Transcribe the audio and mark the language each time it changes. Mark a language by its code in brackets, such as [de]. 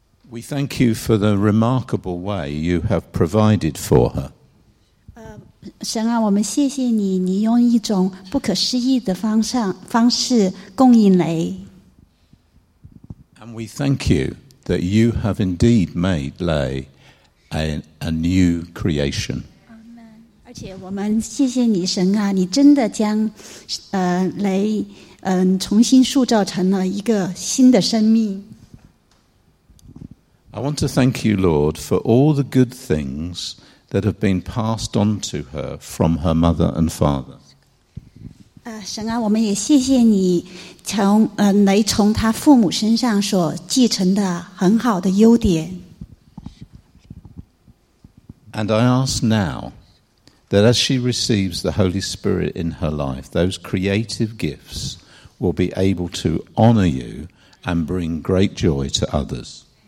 [en] We thank you for the remarkable way you have provided for her. [zh] 神啊, 我们谢谢你, 你用一种不可思议的方式供应雷。 [en] And we thank you that you have indeed made Lay a new creation. Amen. [zh] 而且我们谢谢你, 神啊, 你真的将, 雷, 重新塑造成了一个新的生命。 [en] I want to thank you, Lord, for all the good things that have been passed on to her from her mother and father. [zh] 神啊, 我们也谢谢你, 从, 雷从她父母身上所继承的很好的优点。 [en] And I ask now that as she receives the Holy Spirit in her life, those creative gifts will be able to honor you and bring great joy to others.